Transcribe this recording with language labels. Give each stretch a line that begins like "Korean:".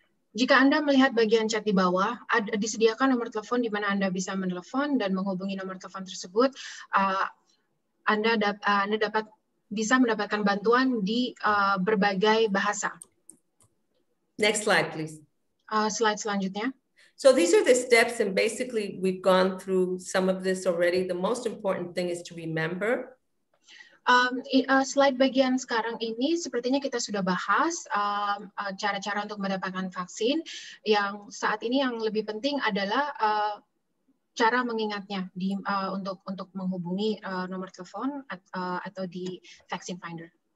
Indonesian: Jika Anda melihat bagian chat di bawah, ada disediakan nomor telepon di mana Anda bisa menelpon dan menghubungi nomor telepon tersebut. Anda dapat bisa mendapatkan bantuan di berbagai bahasa.
English: Next slide, please.
Indonesian: Slide selanjutnya.
English: So these are the steps, and basically we've gone through some of this already. The most important thing is to remember.
Indonesian: Slide bagian sekarang ini sepertinya kita sudah bahas cara-cara untuk mendapatkan vaksin. Yang saat ini yang lebih penting adalah cara mengingatnya di untuk menghubungi nomor telepon atau di Vaccine Finder.